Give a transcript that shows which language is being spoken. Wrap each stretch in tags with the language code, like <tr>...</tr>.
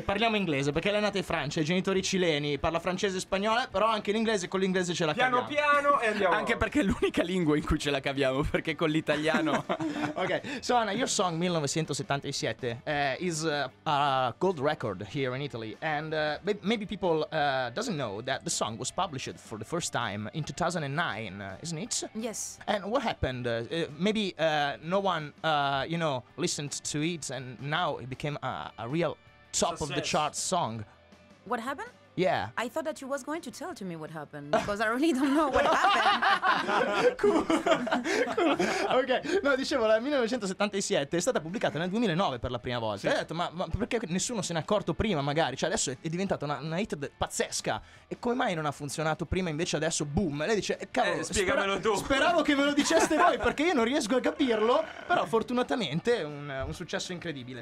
<it>Parliamo inglese, perché lei è nata in Francia, i genitori cileni, parla francese e spagnolo, però anche l'inglese, con l'inglese ce la caviamo. Piano piano e andiamo. Anche perché è l'unica lingua in cui ce la caviamo, perché con l'italiano.</it> <en>Ok, so Anna, your song 1977 is a gold record here in Italy, and maybe people doesn't know that the song was published for the first time in 2009, isn't it? Yes. And what happened? Maybe no one, you know, listened to it, and now it became a real top success. Of the charts song. What happened? Yeah. I thought that you was going to tell to me what happened, because I really don't know what happened. Cool.</en> <it>Ok, no, dicevo, la 1977 è stata pubblicata nel 2009 per la prima volta. Sì. Ho detto, ma perché nessuno se n'è accorto prima magari? Cioè adesso è diventata una hit pazzesca. E come mai non ha funzionato prima, invece adesso boom? Lei dice, cavolo, spiegamelo tu. Speravo che me lo diceste voi, perché io non riesco a capirlo, però fortunatamente un successo incredibile.</it>